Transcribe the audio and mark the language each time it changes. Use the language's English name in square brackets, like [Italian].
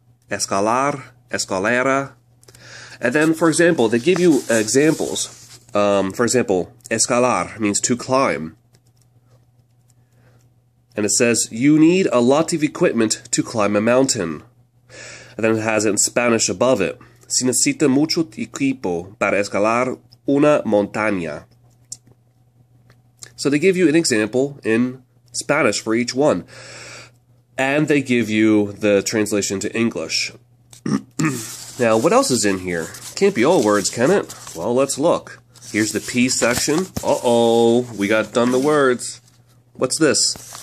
[English] Escalar, escalera. And then, for example, they give you examples. For example, escalar means to climb. And it says, you need a lot of equipment to climb a mountain. And then it has it in Spanish above it. [Spanish] Se necesita mucho equipo para escalar una montaña. [English] So they give you an example in Spanish for each one, and they give you the translation to English. Now, what else is in here? Can't be all words, can it? Well, let's look. Here's the P section. Uh-oh, we got done the words. What's this?